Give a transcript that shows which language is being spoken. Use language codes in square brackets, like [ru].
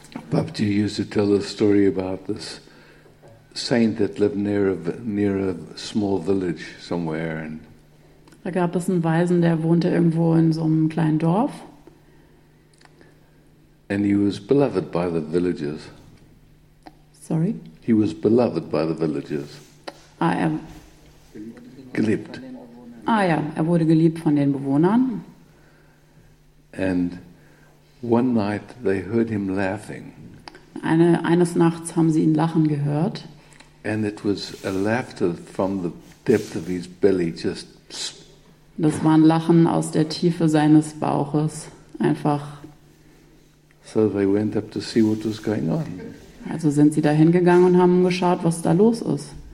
[en] Babaji used to tell a story about this saint that lived near a small village somewhere. And [de] da gab es einen Weisen, der wohnte irgendwo in so einem kleinen Dorf. [en] And he was beloved by the villagers. Sorry? He was beloved by the villagers. [de] Ah, er geliebt. Ah ja, er wurde geliebt von den Bewohnern. [en] And one night they heard him laughing. [de] Eines Nachts haben sie ihn lachen gehört. [en] And it was a laughter from the depth of his belly, just. [de] Das war ein Lachen aus der Tiefe seines Bauches, einfach. [en] So they went up to see what was going on. [de] Also sind sie da hingegangen und haben geschaut, was da los ist.